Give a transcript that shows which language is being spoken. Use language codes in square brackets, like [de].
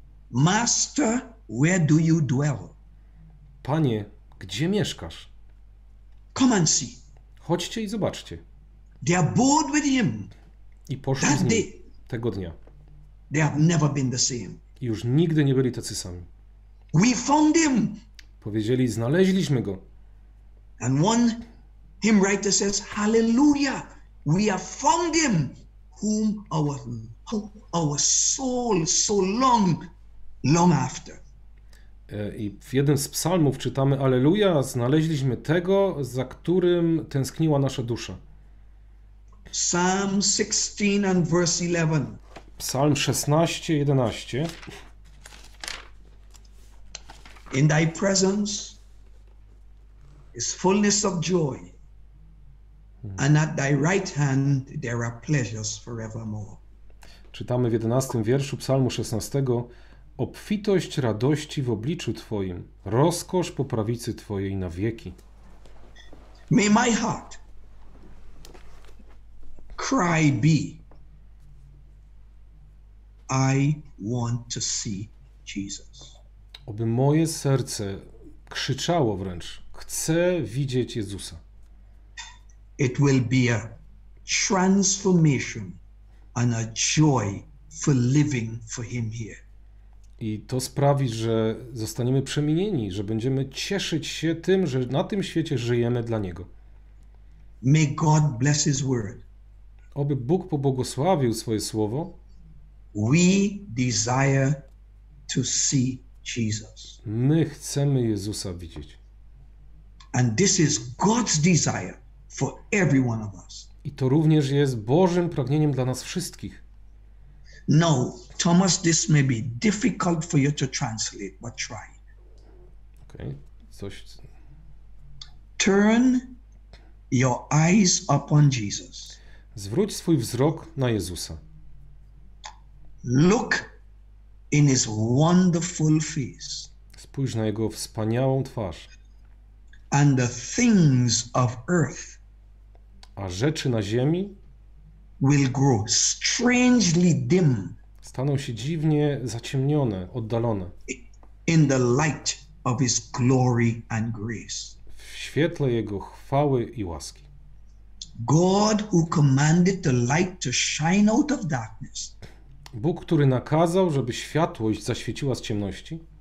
[en] Master, where do you dwell? [pl] Panie, gdzie mieszkasz? [en] Come and see. [pl] Chodźcie i zobaczcie. [en] They abode with him. [pl] I poszli z nim tego dnia. [en] They have never been the same. [pl] I już nigdy nie byli tacy sami. [en] We found him. [pl] Powiedzieli, znaleźliśmy go. [en] And one hymn writer says, Hallelujah, we have found him whom our soul so long after. [pl] I w jednym z psalmów czytamy: Alleluja, znaleźliśmy tego, za którym tęskniła nasza dusza. [en] Psalm 16 and verse 11. [pl] Psalm 16, 11. [en] In thy presence is fullness of joy, and at thy right hand there are pleasures forevermore. [pl] Czytamy w 11 wierszu Psalmu 16: obfitość radości w obliczu Twoim, rozkosz po prawicy Twojej na wieki. [en] May my heart cry be, I want to see Jesus. [pl] Oby moje serce krzyczało wręcz, chcę widzieć Jezusa. [en] It will be a transformation and a joy for living for him here. [pl] I to sprawi, że zostaniemy przemienieni, że będziemy cieszyć się tym, że na tym świecie żyjemy dla Niego. [en] May God bless his word. [pl] Oby Bóg pobłogosławił swoje słowo. [en] We desire to see Jesus. [pl] My chcemy Jezusa widzieć. [en] And this is God's desire for every one of us. [pl] I to również jest Bożym pragnieniem dla nas wszystkich. [en] No, Thomas, this may be difficult for you to translate, but try. [pl] Okay. Coś. [en] Turn your eyes upon Jesus. [pl] Zwróć swój wzrok na Jezusa. [en] Look in his wonderful face. [pl] Spójrz na jego wspaniałą twarz. [en] And the things of earth. [pl] A rzeczy na ziemi [en] will grow strangely dim. [pl] Staną się dziwnie zaciemnione, oddalone. [en] In the light of his glory and grace. [pl] W świetle jego chwały i łaski. [en] God who commanded the light to shine out of darkness. [pl] Bóg, który nakazał, żeby światłość zaświeciła z ciemności,